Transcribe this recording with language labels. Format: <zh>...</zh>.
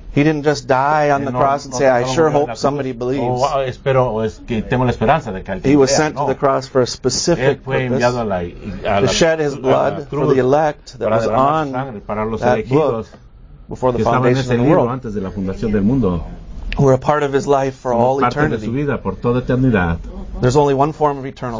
<en>He didn't just die on the cross and say, I sure hope somebody believes.</en> <es>Oh, espero, es que tengo la esperanza de que alguien</es> <en>he was</en> <es>crea,</es> <en>sent</en> <es>no.</es> <en>to the cross for a specific to shed his blood for the elect that was on that book before the foundation of the world</en> <es>antes de la fundación del mundo.</es> <en>Were a part of his life for all eternity.</en> <es>De su vida por toda eternidad.</es> <en>There's only one form of eternal</en>